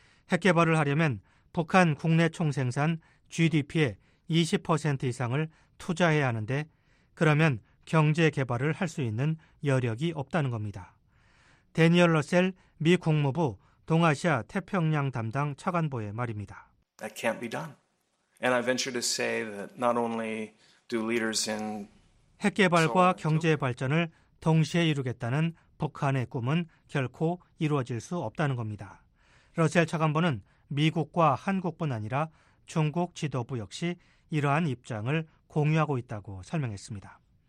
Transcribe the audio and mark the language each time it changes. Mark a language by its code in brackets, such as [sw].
[ko] 핵 개발을 하려면 북한 국내 총생산 GDP의 20% 이상을 투자해야 하는데 그러면 경제 개발을 할 수 있는 여력이 없다는 겁니다. 대니얼 러셀 미 국무부 동아시아 태평양 담당 차관보의 말입니다. [en] That can't be done. And I venture to say that not only do leaders in [ko] 핵 개발과 경제 발전을 동시에 이루겠다는 북한의 꿈은 결코 이루어질 수 없다는 겁니다. 러셀 차관보는 미국과 한국뿐 아니라 중국 지도부 역시 이러한 입장을 공유하고 있다고 설명했습니다.